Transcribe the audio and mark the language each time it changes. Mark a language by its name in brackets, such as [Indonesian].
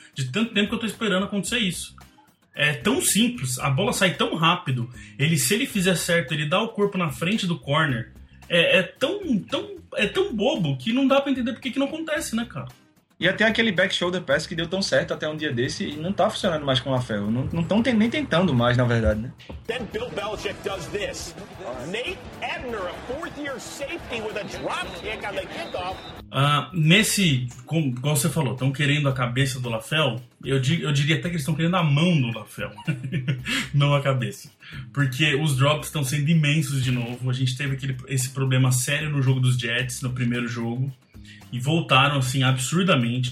[Portuguese] De tanto tempo que eu tô esperando acontecer isso. É tão simples, a bola sai tão rápido, se ele fizer certo, ele dá o corpo na frente do corner, é tão bobo que não dá pra entender porque que não acontece, né, cara? E até aquele back shoulder pass que deu tão certo até um dia desse e não tá funcionando mais com o LaFell. Não tão nem tentando mais, na verdade, né? [English] Then Bill Belichick does this. Nate Ebner, a fourth year safety with a drop kick on the kickoff. [Portuguese] Nesse, como você falou, estão querendo a cabeça do LaFell, eu diria até que eles estão querendo a mão do LaFell, não a cabeça. Porque os drops estão sendo imensos de novo. A gente teve esse problema sério no jogo dos Jets, no primeiro jogo, e voltaram assim absurdamente.